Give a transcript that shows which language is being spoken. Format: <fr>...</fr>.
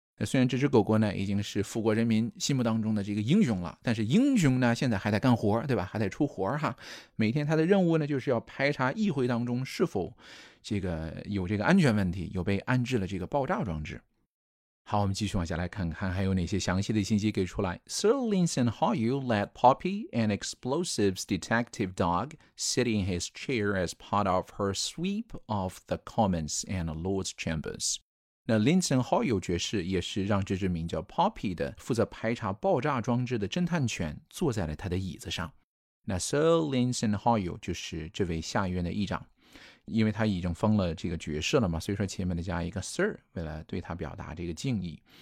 <zh>那虽然这只狗狗呢已经是富国人民心目当中的这个英雄了，但是英雄呢现在还在干活，对吧？还在出活哈。每天他的任务呢就是要排查议会当中是否这个有这个安全问题，有被安置了这个爆炸装置。好，我们继续往下来看看还有哪些详细的信息给出来。</zh> <en>Sir Linson Hoyle let Poppy, an explosives detective dog, sit in his chair as part of her sweep of the Commons and Lords Chambers.</en> <zh>那 Linson Hoyle 爵士也是让这只名叫 Poppy 的负责排查爆炸装置的侦探犬坐在了他的椅子上。那 Sir Linson Hoyle 就是这位下议院的议长。因为他已经封了这个爵士了嘛，所以说前面的加一个 Sir， 为了对他表达这个敬意。</zh>